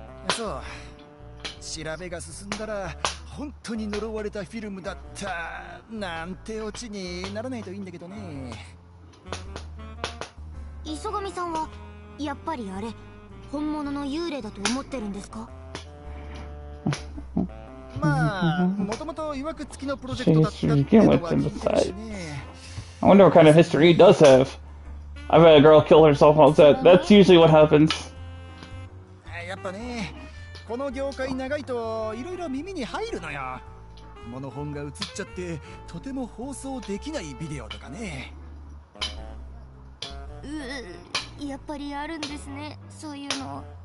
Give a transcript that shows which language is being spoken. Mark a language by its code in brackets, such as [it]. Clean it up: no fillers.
[ja] そう、調べが進んだら本当に呪われたフィルムだったなんてオチにならないといいんだけどね。磯神さんはやっぱりあれ本物の幽霊だと思ってるんですか？まあ、もともと曰くつきのプロジェクトだったってのは聞いてる [en] しね。 I wonder what kind of history he does have. I've had a girl kill herself on set. That's usually what happens. [ja] やっぱね、この業界長いといろいろ耳に入るのよ。モノ本が映っちゃってとても放送できないビデオとかね。うう、やっぱりあるんですね、そういうの。